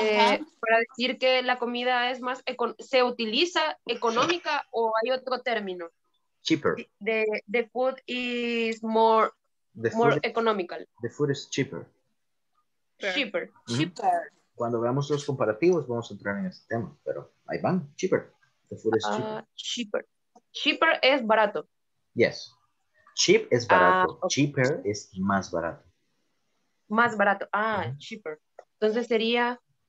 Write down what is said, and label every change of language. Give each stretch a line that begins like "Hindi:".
Spanish: Para decir que la comida es más, se utiliza económica o hay otro término.
English: Cheaper. The food is more, the food, more economical. The food is cheaper. Cheaper. Mm-hmm. Cheaper.
Spanish: cuando veamos los comparativos vamos a entrar en ese tema, pero ahí van, cheaper.
English: The food is cheaper.
Spanish: Cheaper. Cheaper es barato. Yes. Cheap es barato. Okay. Cheaper es más barato. Más barato. Ah, uh-huh. Cheaper. Entonces sería